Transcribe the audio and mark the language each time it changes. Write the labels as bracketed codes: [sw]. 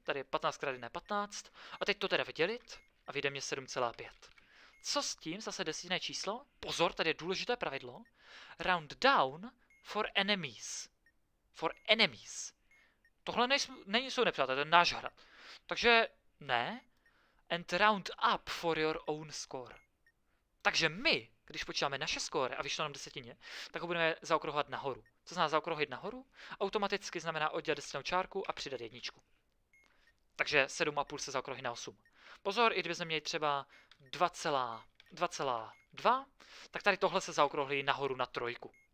[cs] Tady je 15 krát jedna 15. A teď to teda vydělit a vyjde mě 7,5. Co s tím? Zase desetinné číslo. Pozor, tady je důležité pravidlo. [en] Round down for enemies. For enemies. [cs] Tohle není jsou nepřátelé, to je náš hrad. Takže ne. [en] And round up for your own score. [cs] Takže my, když počítáme naše score a vyšlo nám desetině, tak ho budeme zaokrouhovat nahoru. Co znamená zaokrouhlit nahoru? Automaticky znamená oddělit desetinnou čárku a přidat jedničku. Takže 7,5 se zaokrouhlí na 8. Pozor, i kdybychom měli třeba 2,2, tak tady tohle se zaokrouhlí nahoru na trojku.